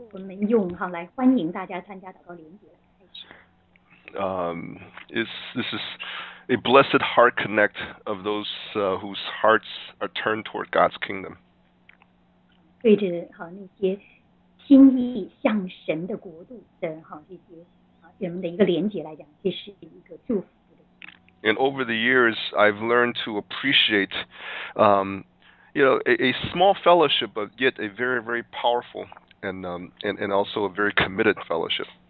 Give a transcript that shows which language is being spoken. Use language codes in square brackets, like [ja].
[en] This is a blessed heart connect of those whose hearts are turned toward God's kingdom. [zh] 对着那些心意向神的国度的这些人们的一个连接来讲，这是一个祝福。And [en] over the years, I've learned to appreciate, a small fellowship, but yet a very, very powerful and also a very committed fellowship.